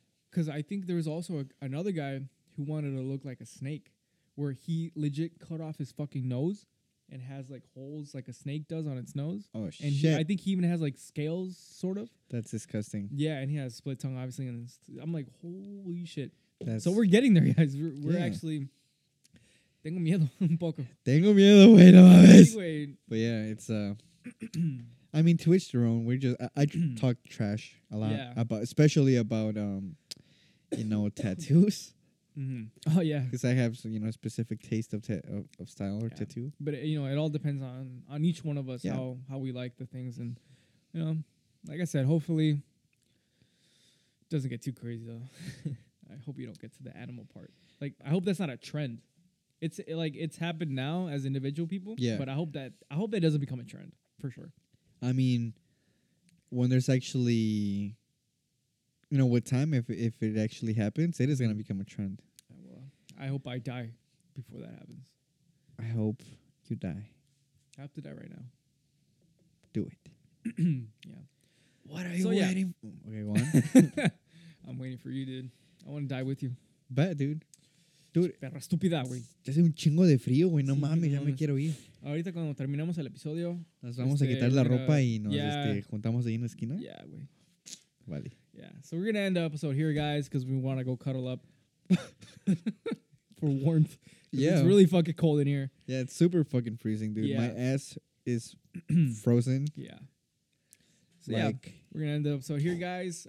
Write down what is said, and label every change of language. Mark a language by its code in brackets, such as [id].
[en] Because I think there was also another guy who wanted to look like a snake, where he legit cut off his fucking nose and has, like, holes like a snake does on its nose. Oh, and shit. And I think he even has, like, scales, sort of. That's disgusting. Yeah, and he has split tongue, obviously. And I'm like, holy shit. So we're getting there, guys. We're actually... [es] Tengo miedo un poco. Tengo miedo, wey, no mames. [en] But yeah, it's... I mean, to each their own, we're just... I talk trash a lot. Yeah. Especially about you know, tattoos. Mm-hmm. Oh yeah, because I have you know a specific taste of style or tattoo. But you know, it all depends on each one of us how we like the things, and you know, like I said, hopefully it doesn't get too crazy though. I hope you don't get to the animal part. Like I hope that's not a trend. It's happened now as individual people. Yeah. But I hope that doesn't become a trend for sure. I mean, when there's actually. You know, with time, if it actually happens, it is going to become a trend. Well, I hope I die before that happens. I hope you die. I have to die right now. Do it. Yeah. What are you waiting for? Okay, go on. I'm waiting for you, dude. I want to die with you. Bet, dude. Dude. [es] Perra estúpida, güey. Ya hace un chingo de frío, güey. No sí, mames, ya me quiero ir. Ahorita cuando terminamos el episodio... Nos vamos a quitar la ropa y nos juntamos ahí en la esquina. [en] Yeah, güey. [es] Vale. [en] Yeah, so we're going to end the episode here, guys, because we want to go cuddle up for warmth. Yeah. It's really fucking cold in here. Yeah, it's super fucking freezing, dude. Yeah. My ass is frozen. Yeah. So, like, we're going to end the episode here, guys.